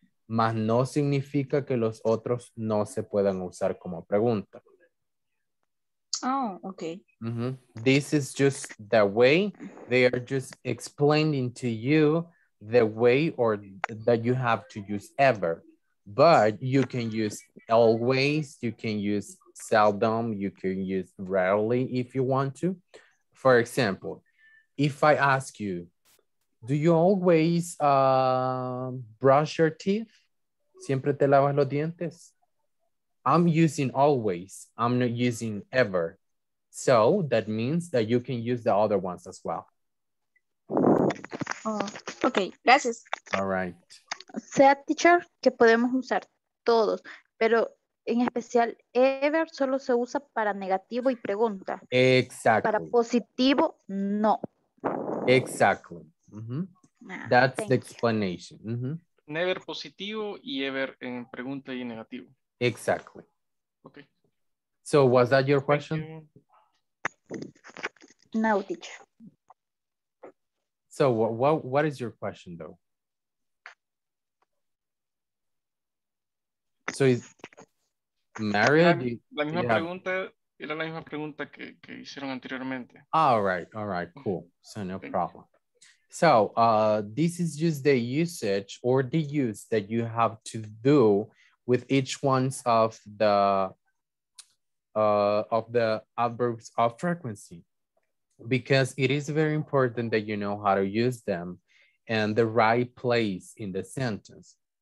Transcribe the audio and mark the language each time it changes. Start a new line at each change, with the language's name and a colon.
Spanish: Mas no significa que los otros no se puedan usar como pregunta.
English: Oh, okay. Mm-hmm. This is just the way they are just explaining to you the way or that you have to use ever. But you can use always, you can use seldom, you can use rarely if you want to. For example, if I ask you, do you always brush your teeth?
Spanish: ¿Siempre te lavas los dientes?
English: I'm using always. I'm not using ever. So that means that you can use the other ones as well. Oh, okay, gracias. All right.
Spanish: O sea, teacher, que podemos usar todos, pero en especial ever solo se usa para negativo y pregunta.
English: Exactly.
Spanish: Para positivo, no.
English: Exactly. Mm-hmm. That's the explanation. Mm-hmm.
Spanish: Never positivo y ever en pregunta y negativo.
English: Exactly. Okay. So was that your question? No, teacher. So what is your question though? So is Mario?
Spanish: La misma pregunta, era la misma pregunta que hicieron anteriormente.
English: All right, cool. So no problem. So this is just the usage or the use that you have to do with each one of the adverbs of frequency, because it is very important that you know how to use them and the right place in the sentence.